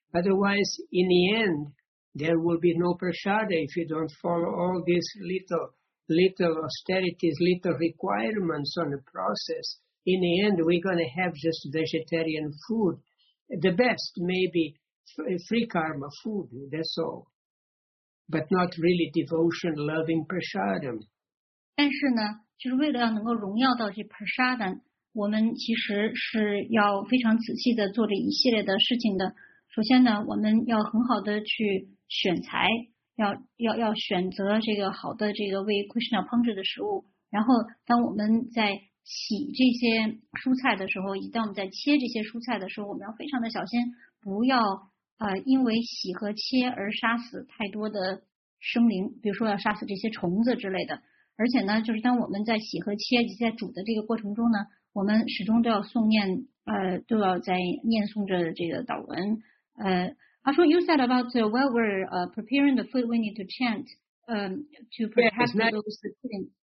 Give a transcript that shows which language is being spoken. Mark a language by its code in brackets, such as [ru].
[en] Otherwise, in the end, there will be no prasada if you don't follow all these little austerities, little requirements on the process. In the end, we're going to have just vegetarian food. The best, maybe, free karma food, that's all. But not really devotion, loving prasadam. [zh] 但是呢，就是为了要能够荣耀到这 prasada, 我们其实是要非常仔细地做这一系列的事情的。首先呢，我们要很好的去选材，要选择这个好的这个为 Krishna 烹制的食物。然后，当我们在洗这些蔬菜的时候，以及当我们在切这些蔬菜的时候，我们要非常的小心，不要因为洗和切而杀死太多的生灵，比如说要杀死这些虫子之类的。而且呢，就是当我们在洗和切以及在煮的这个过程中呢，我们始终都要诵念都要在念诵着这个祷文。 [en] Ashwin, you said about while we're preparing the food, we need to chant to prepare those things.